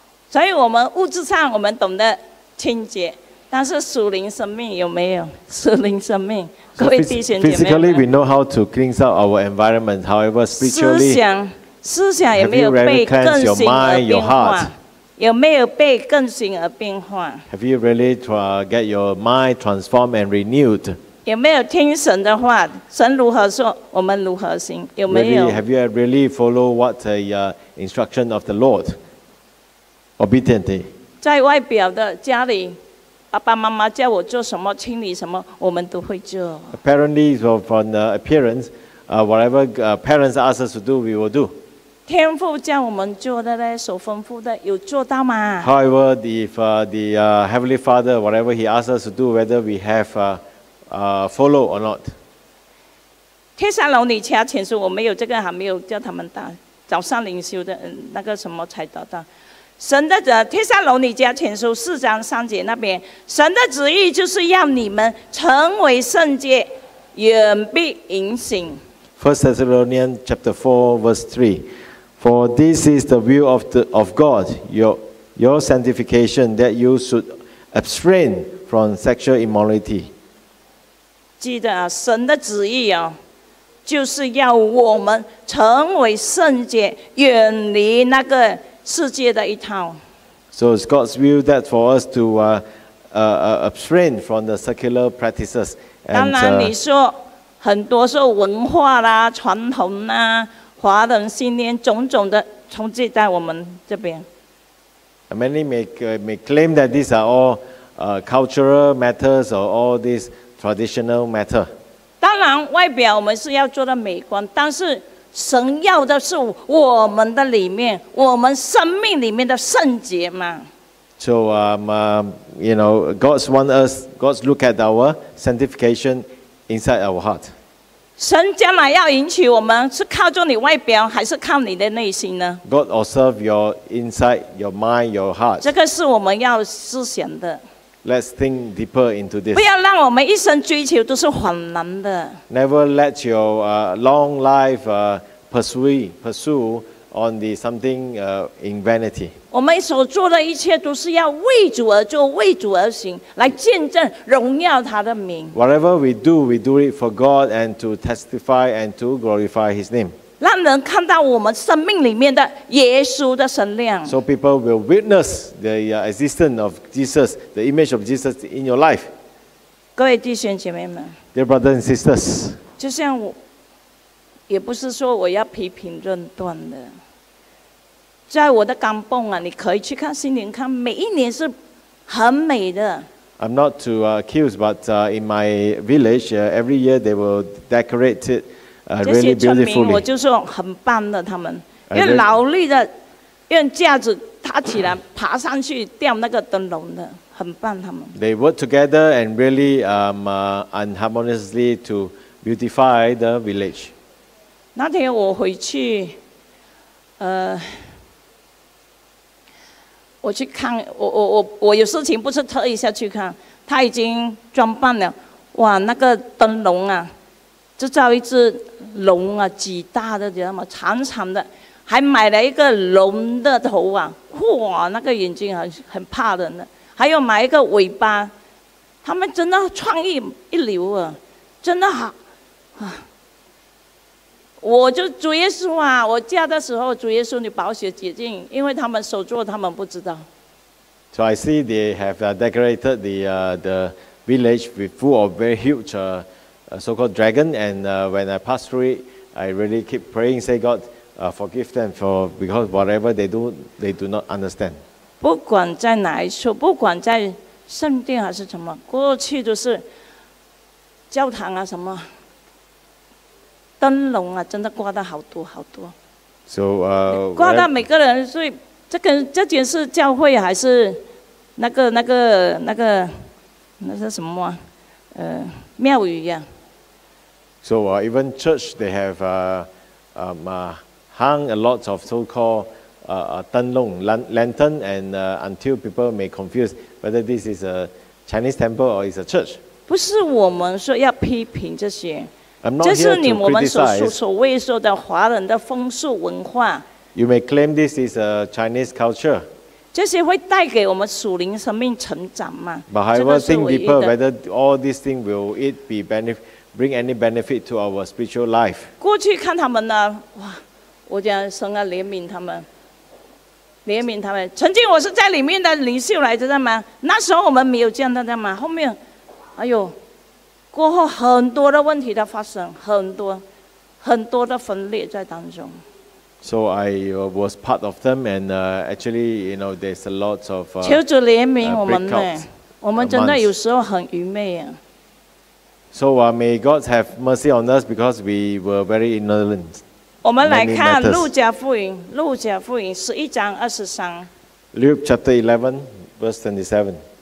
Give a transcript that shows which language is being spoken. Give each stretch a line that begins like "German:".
Chinese: 所以我们物质上我们懂得清洁，但是属灵生命有没有？属灵生命，各位弟兄姐妹。
English: Physically, we know how to clean up our environment. However, spiritually.
Chinese: 思想有没有被更新而变化？有没有被更新而变化
English: ？Have you really get your mind transformed and renewed？
Chinese: 有没有听神的话？神如何说，我们如何行？有没有
English: ？Have you really follow what the instruction of the Lord obediently？
Chinese: 在外表的家里，爸爸妈妈叫我做什么，清理什么，我们都会做。
English: Apparently, from the appearance, whatever parents ask us to do, we will do.
Chinese: 天父叫我们做的呢，所吩咐的有做到吗
English: ？However, the Heavenly Father, whatever He asks us to do, whether we have follow or not.
Chinese: 帖撒罗尼迦前书，我没有这个，还没有叫他们到早上灵修的那个什么才到。神的旨，帖撒罗尼迦前书四章三节那边，神的旨意就是要你们成为圣洁，远避淫行。
English: First Thessalonians chapter 4 verse 3. For this is the will of God, your sanctification, that you should abstain from sexual immorality.
Chinese: 记得啊，神的旨意啊，就是要我们成为圣洁，远离那个世界的一套。
English: So it's God's will that for us to abstain from the secular practices. And,
Chinese: 当然你说很多是文化啦、传统啦、华人信念种种的冲击在我们这边。
English: Many may claim that these are all cultural matters or all these traditional matter.
Chinese: 当然，外表我们是要做的美观，但是神要的是我们的里面，我们生命里面的圣洁嘛。
English: So you know, God's want us. God's look at our sanctification. Inside our heart.
Chinese: 神将来要迎娶我们，是靠着你外表，还是靠你的内心呢
English: ？God observe your inside, your mind, your heart.
Chinese: 这个是我们要思想的。
English: Let's think deeper into this.
Chinese: 不要让我们一生追求都是谎言的。
English: Never let your long life pursue on the something in vanity.
Chinese: 我们所做的一切都是要为主而做，为主而行，来见证荣耀他的名。
English: Whatever we do it for God and to testify and to glorify His name.
Chinese: 让人看到我们生命里面的耶稣的神量。
English: So people will witness the existence of Jesus, the image of Jesus in your life.
Chinese: 各位弟兄姐妹们
English: ，Dear brothers and sisters，
Chinese: 就像我，也不是说我要批评论断的。在我的甘榜啊，你可以去看新年看，每一年是很美的。
English: I'm not to accuse, but in my village, every year they will decorate it really beautifully.
Chinese: 这些村民我就说很棒的，他们用劳力的，用架子搭起来，爬上去吊那个灯笼的，很棒他们。
English: They work together and really unharmoniously to beautify the village.
Chinese: 那天我回去，我去看，我有事情，不是特意下去看，他已经装扮了，哇，那个灯笼啊，就造一只龙啊，几大的，知道吗？长长的，还买了一个龙的头啊，哇，那个眼睛很怕人的，还有买一个尾巴，他们真的创意一流啊，真的好，啊。我就主耶稣啊，我嫁的时候主耶稣你保守洁净，因为他们手做他们不知道。
English: So I see they have decorated the village with full of very huge so-called dragon, and when I pass through it, I really keep praying, say God forgive them for because whatever they do, they do not understand.
Chinese: 不管在哪一处，不管在圣殿还是什么，过去就是教堂啊什么灯笼啊，真的挂的好多好多。
English: So
Chinese: 挂到每个人，所以这跟这件是教会还是那是什么、啊？庙宇呀、啊。
English: So even church they have hung a lot of so-called 灯笼 lantern and until people may confuse whether this is a Chinese temple or is a church。
Chinese: 不是我们说要批评这些。
English: I'm not here to criticize.
Chinese: 我们所谓说的华人的风俗文化。
English: You may claim this is a Chinese culture.
Chinese: 这些会带给我们属灵生命成长吗？
English: But however, think deeper whether all these things will it be benefit, bring any benefit to our spiritual life.
Chinese: 过去看他们呢，哇，我讲神啊，怜悯他们，怜悯他们。曾经我是在里面的领袖来着的吗？那时候我们没有见到的吗？后面，哎呦。过后很多的问题的发生，很多很多的分裂在当中。
English: So I was part of them, and actually, you know, there's a lot of
Chinese: 求主怜悯我们呢，我们真的有时候很愚昧啊。
English: So may God have mercy on us because we were very ignorant.
Chinese: 我们来看路加福音，路加福音十一章二十三。
English: Luke chapter 11, verse 27.